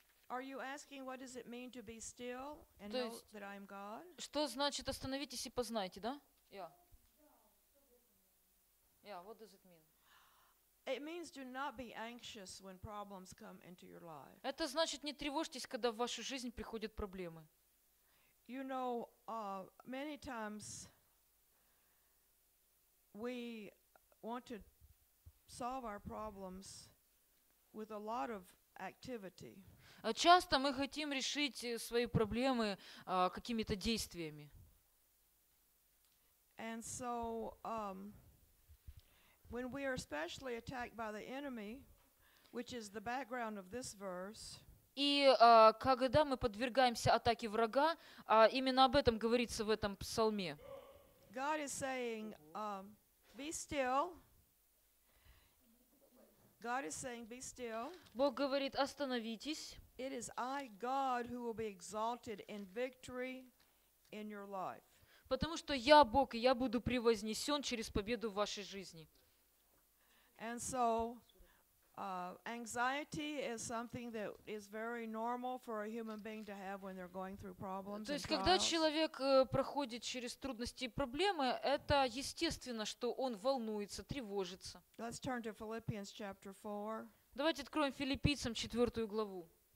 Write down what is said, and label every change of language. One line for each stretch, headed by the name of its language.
English: Are you asking what does it mean to be still and know that I am God?
Russian: Что значит остановитесь и познайте, да?
English: Yeah. Yeah, what does it mean? It means do not be anxious when problems come into your life.
Russian: Это значит не тревожьтесь, когда в вашу жизнь приходят проблемы.
English: You know, many times we want to solve our problems with a lot of activity.
Russian: Часто мы хотим решить свои проблемы какими-то действиями.
English: And so, when we are especially attacked by the enemy, which is the background of this verse,
Russian: и когда мы подвергаемся атаке врага, именно об этом говорится в этом псалме.
English: God is saying, be still. God is saying, be still.
Russian: Бог говорит, остановитесь.
English: It is I, God, who will be exalted in victory in your life.
Russian: Потому что я Бог, и я буду превознесен через победу в вашей жизни.
English: And so, anxiety is something that is very normal for a human being to have when they're going through problems.
Russian: То есть, когда человек проходит через трудности и проблемы, это естественно, что он волнуется, тревожится.
English: Let's turn to Philippians chapter 4.
Russian: Давайте откроем Филиппийцам 4 главу.